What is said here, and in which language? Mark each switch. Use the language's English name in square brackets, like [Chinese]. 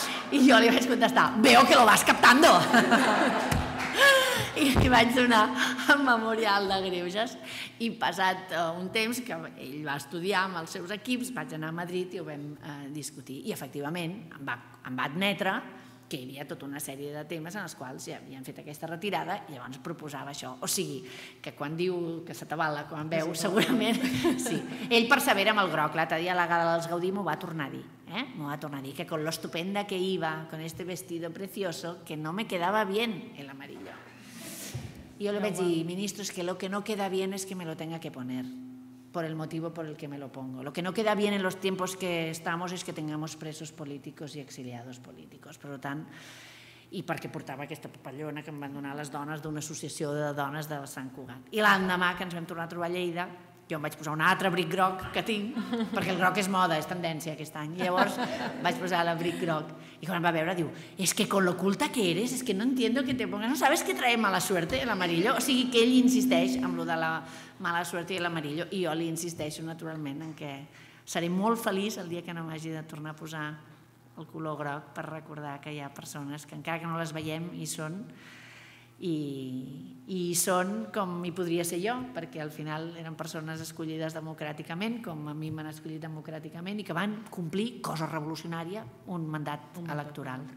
[Catalan] I jo li vaig contestar, [Spanish] veo que lo vas captando. [Catalan] I li vaig donar el memorial de greuges. I passat un temps que ell va estudiar amb els seus equips, vaig anar a Madrid i ho vam discutir. I efectivament em va admetre que hi havia tota una sèrie de temes en els quals ja havien fet aquesta retirada i llavors proposava això. O sigui, que quan diu que s'atabala, quan veu, sí, segurament... Sí. Ell persevera amb el groc. L'altre dia a la gala dels Gaudí m'ho va tornar a dir. M'ho va tornar a dir [Spanish] que con lo estupenda que iba, con este vestido precioso, que no me quedaba bien el amarillo. [Catalan] Jo li vaig dir, [Spanish] ministro, es que lo que no queda bien es que me lo tenga que poner. Por el motivo por el que me lo pongo. Lo que no queda bien en los tiempos que estamos es que tengamos presos políticos y exiliados políticos. [Catalan] Per tant, i perquè portava aquesta papallona que em van donar les dones d'una associació de dones de Sant Cugat. I l'endemà que ens vam tornar a trobar a Lleida, jo em vaig posar un altre abric groc que tinc, perquè el groc és moda, és tendència aquest any. I llavors vaig posar l'abric groc. I quan em va veure diu, [Spanish] es que con lo culta que eres, es que no entiendo que te pongas, no sabes que trae mala suerte el amarillo. [Catalan] O sigui que ell insisteix amb lo de la mala suerte i l'amarillo, i jo li insisteixo naturalment en que seré molt feliç el dia que no m'hagi de tornar a posar el color groc per recordar que hi ha persones que encara que no les veiem hi són, i són com hi podria ser jo, perquè al final eren persones escollides democràticament, com a mi m'han escollit democràticament, i que van complir, cosa revolucionària, un mandat electoral.